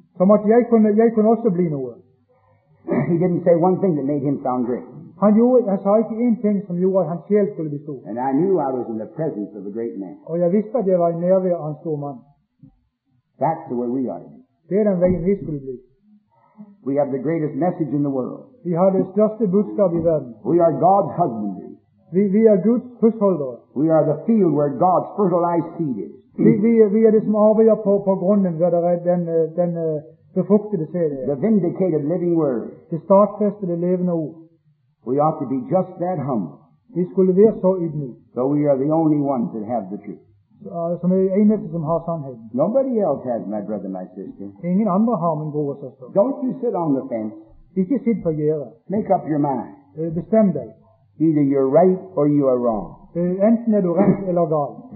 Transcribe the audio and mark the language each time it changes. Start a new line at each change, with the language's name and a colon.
Norwegian: Som at jeg kunne også bli noe.
English: He didn't say one thing that made him sound great.
Norwegian: Han sa ikke en ting som gjorde at hans sjel skulle bli stor.
English: And I knew I was in the presence of a great man.
Norwegian: Og jeg visste at jeg var I nærvær av en stor mann.
English: That's the way we are.
Norwegian: Det den veien vi skulle bli.
English: We have the greatest message in the world.
Norwegian: Vi har det største budskap I verden.
English: We are God's husbandry.
Norwegian: Vi er Guds husholder.
English: We are the field where God's fertilized seed is.
Norwegian: Vi er det som arbeider på grunnen der det den befruktede sæd.
English: The vindicated living word.
Norwegian: Det stadfæstede levende ord.
English: We ought to be just that humble.
Norwegian: Vi skulle være så ydmyke.
English: So we are the only ones that have the truth.
Norwegian: Som eneste som har sannheten.
English: Nobody else has, my brother, my sister.
Norwegian: Ingen andre har min bror og søster.
English: Don't you sit on the fence.
Norwegian: Ikke sitt på gjerdet.
English: Make up your mind.
Norwegian: Bestem deg.
English: Either you're right or you are wrong.
Norwegian: Enten du rett eller galt.